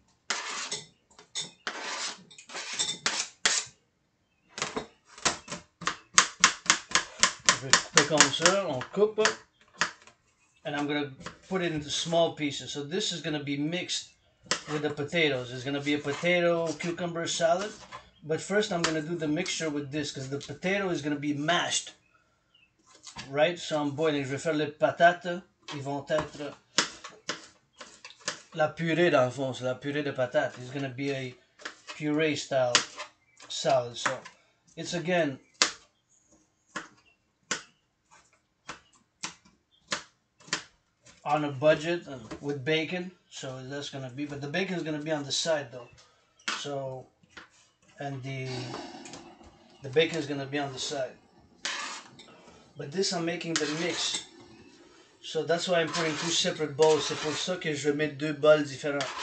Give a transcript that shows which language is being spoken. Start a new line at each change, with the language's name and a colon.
English: If it's quick on, sir,
French: on coupe,
English: and I'm going to put it into small pieces. So this is going to be mixed with the potatoes. It's going to be a potato cucumber salad, but first I'm going to do the mixture with this because the potato is going to be mashed. Right, so I'm boiling.
French: Je vais faire les patates. Ils vont être la purée dans le fond. C'est la purée de patates.
English: It's gonna be a puree style salad. So it's again a on a budget with bacon, so that's gonna be, but the bacon's gonna be on the side though. So, and the bacon's gonna be on the side. But this I'm making the mix. So that's why I'm putting two separate bowls.
French: C'est pour ça que je vais mettre deux bols différents.